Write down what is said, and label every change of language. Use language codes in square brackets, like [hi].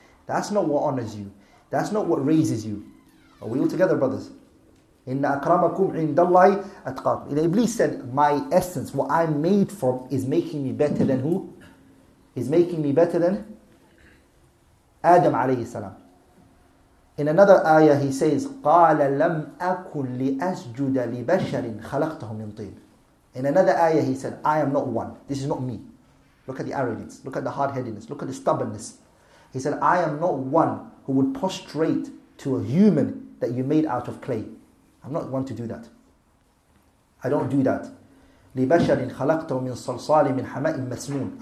[en] That's not what honors you. That's not what raises you. Are we all together, brothers? [ar] Inna akramakum indallahi atqakum. [en] Iblis said, my essence, what I'm made from, is making me better than who? Is making me better than Adam alayhi salam. In another ayah, he says, [ar] قَالَ لَمْ أَكُنْ لِأَسْجُدَ لِبَشَرٍ خَلَقْتَهُ مِنْ طِينٍ. [en] In another ayah, he said, I am not one. This is not me. Look at the arrogance. Look at the hard-headedness. Look at the stubbornness. He said, I am not one who would prostrate to a human that you made out of clay. I'm not one to do that. I don't do that. [ar] لِبَشَرٍ خَلَقْتَهُ مِنْ صَلْصَالٍ مِنْ حَمَاءٍ مَسْنُونٍ.